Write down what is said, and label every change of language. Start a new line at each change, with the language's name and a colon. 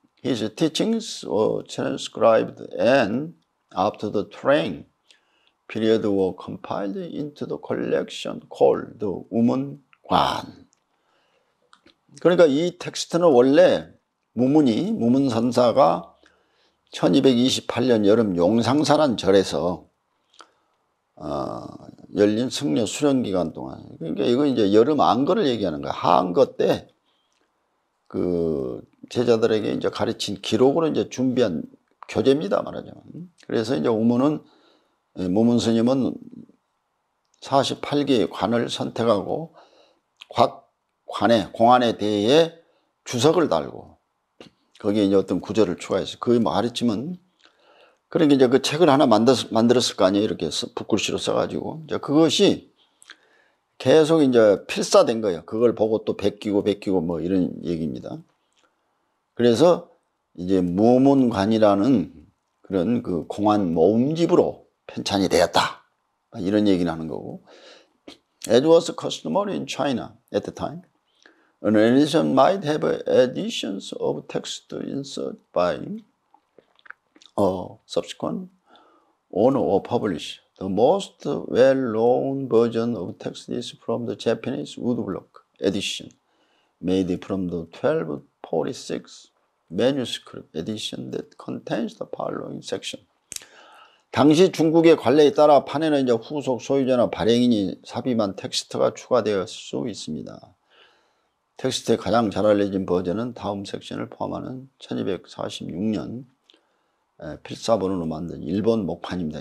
English: His teachings were transcribed and, after the training period, were compiled into the collection called the Uman.
Korean: 관. 그러니까 이 텍스트는 원래 무문이, 무문선사가 1228년 여름 용상사란 절에서, 열린 승려 수련 기간 동안. 그러니까 이거 이제 여름 안거를 얘기하는 거야. 한거 때, 그, 제자들에게 이제 가르친 기록으로 이제 준비한 교제입니다, 말하자면. 그래서 이제 오문은, 모문 스님은 48개의 관을 선택하고 각 관에, 공안에 대해 주석을 달고 거기에 이제 어떤 구절을 추가해서 그 말했지만 그런 게 이제 그 책을 하나 만들었을 거 아니에요. 이렇게 붓글씨로 써가지고. 이제 그것이 계속 이제 필사된 거예요. 그걸 보고 또 베끼고 베끼고 뭐 이런 얘기입니다. 그래서 이제 모문관이라는 그런 그 공안 모음집으로 편찬이 되었다. 이런 얘기를 하는 거고.
English: It was customary in China at the time. An edition might have editions of text inserted by a subsequent owner or publisher. The most well-known version of text is from the Japanese woodblock edition, made from the 1246 manuscript edition that contains the following section.
Korean: 당시 중국의 관례에 따라 판에는 이제 후속 소유자나 발행인이 삽입한 텍스트가 추가되었을 수 있습니다. 텍스트의 가장 잘 알려진 버전은 다음 섹션을 포함하는 1246년 필사본으로 만든 일본 목판입니다.